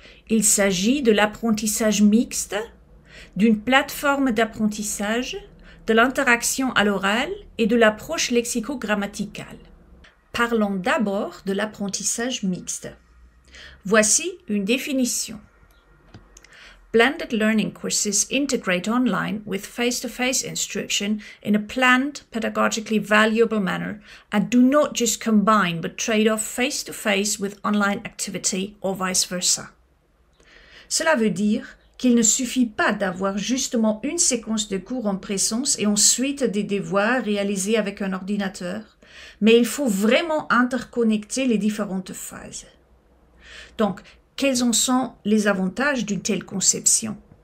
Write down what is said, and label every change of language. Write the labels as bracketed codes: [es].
[fr] Il s'agit de l'apprentissage mixte, d'une plateforme d'apprentissage, de l'interaction à l'oral et de l'approche lexico-grammaticale. Parlons d'abord de l'apprentissage mixte. Voici une définition. [en] Blended learning courses integrate online with face-to-face instruction in a planned, pedagogically valuable manner and do not just combine but trade off face-to-face with online activity or vice versa. [fr] Cela veut dire qu'il ne suffit pas d'avoir justement une séquence de cours en présence et ensuite des devoirs réalisés avec un ordinateur, mais il faut vraiment interconnecter les différentes phases. Donc, quels en sont les avantages d'une telle conception?